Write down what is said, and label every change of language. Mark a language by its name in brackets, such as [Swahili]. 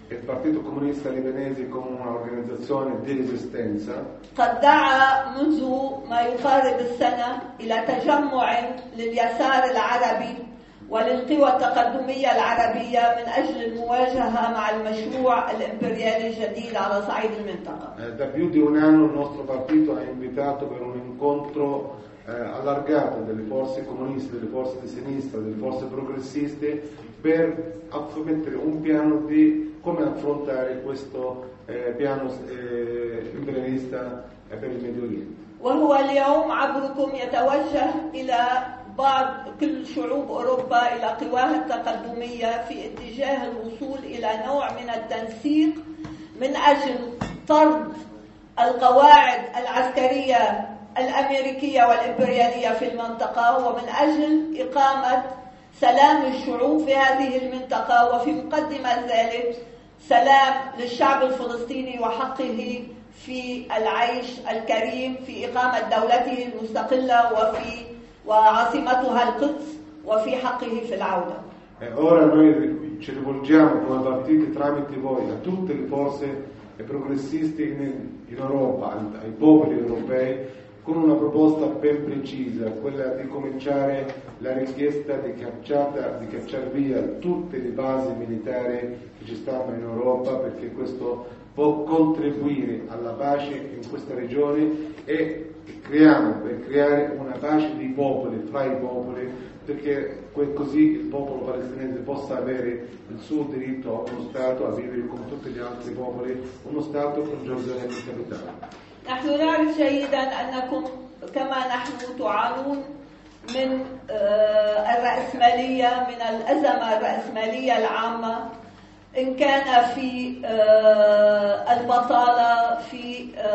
[Italian] Il Partito Comunista Libanese come un'organizzazione di resistenza da più di un anno il nostro partito ha invitato per un incontro allargato delle forze comuniste, delle forze di sinistra, delle forze progressiste per mettere un piano di come affrontare questo piano imperialista per il Medio Oriente. [Arabic] بعض كل شعوب أوروبا إلى قواها التقدمية في اتجاه الوصول إلى نوع من التنسيق من أجل طرد القواعد العسكرية الأمريكية والإمبريالية في المنطقة ومن أجل إقامة سلام الشعوب في هذه المنطقة وفي مقدمة ذلك سلام للشعب الفلسطيني وحقه في العيش الكريم في إقامة دولته المستقلة وفي وعاصمتها القدس وفي حقه في العودة. [Italian] Ora noi ci rivolgiamo come partiti tramite voi a tutte le forze progressiste in Europa, ai popoli europei, con una proposta ben precisa, quella di cominciare la richiesta di cacciare via tutte le basi militari che ci stanno in Europa, perché questo può contribuire alla pace in questa regione e creiamo per creare una pace di popoli, tra i popoli, perché così il popolo palestinese possa avere il suo diritto a uno Stato, a vivere con tutti gli altri popoli, uno Stato con Gerusalemme capitale. [Arabic] نحن نعرف جيدا أنكم كما نحن تعانون من الرأسمالية من الأزمة الرأسمالية العامة إن كان في البطالة في